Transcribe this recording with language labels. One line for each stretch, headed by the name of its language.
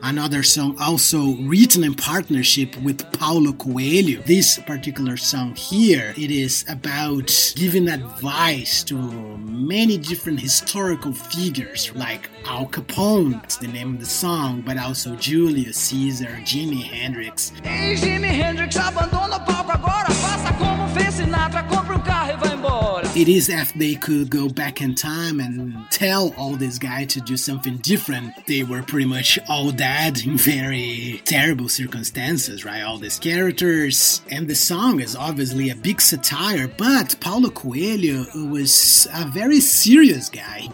English: Another song also written in partnership with Paulo Coelho. This particular song here, it is about giving advice to many different historical figures like Al Capone, that's the name of the song, but also Julius Caesar, Jimi Hendrix.
Portuguese: Hey, Jimi Hendrix, abandona o palco agora, faça como fez Sinatra, compra carro e vai embora.
English: It is if they could go back in time and tell all these guys to do something different. They were pretty much all dead in very terrible circumstances, right? All these characters. And the song is obviously a big satire, but Paulo Coelho was a very serious guy.